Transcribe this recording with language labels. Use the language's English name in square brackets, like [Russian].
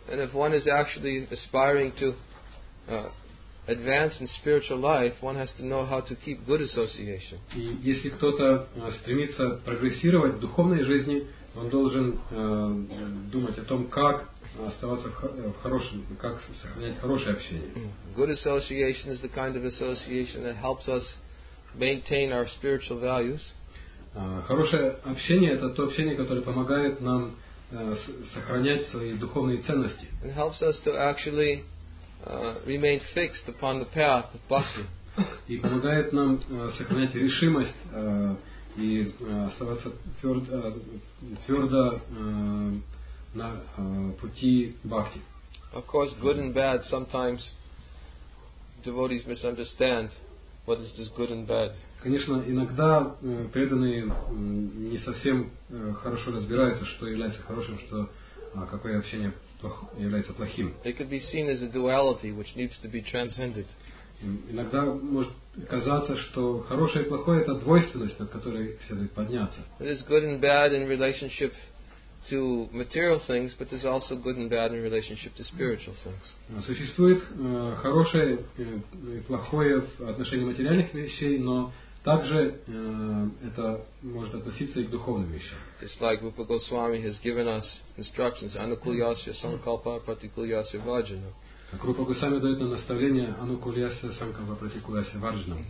[English] And if one is actually aspiring to advance in spiritual life, one has to know how to keep good association. [Russian] И если кто-то стремится прогрессировать в духовной жизни, он должен думать о том, как оставаться в хорошем, как сохранять хорошее общение. [English] Good association is the kind of association that helps us maintain our spiritual values. [Russian] Хорошее общение — это то общение, которое помогает нам сохранять свои духовные ценности. [English] It helps us to actually remain fixed upon the path of bhakti. [Russian] И помогает нам сохранять решимость и оставаться твердо на пути бхакти. [English] Of course, good and bad, sometimes devotees misunderstand what is this good and bad. [Russian] Конечно, иногда преданные не совсем хорошо разбираются, что является хорошим, что какое общение является плохим. [English] It could be seen as a duality which needs to be transcended. [Russian] Иногда может казаться, что хорошее и плохое — это двойственность, от которой следует подняться. [English] There's good and bad in relationship to material things, but there's also good and bad in relationship to spiritual things. [Russian] Существует хорошее и плохое в отношении материальных вещей, но также это может относиться и к духовным вещам. [English] Just like Rupa Goswami has given us instructions, [Sanskrit] anukulyasya sankalpa pratikulyasya vajana. [Russian] Как Рупа Госвами дает нам наставление [Sanskrit] анукулясе санкалпа пратикулясе варджанам.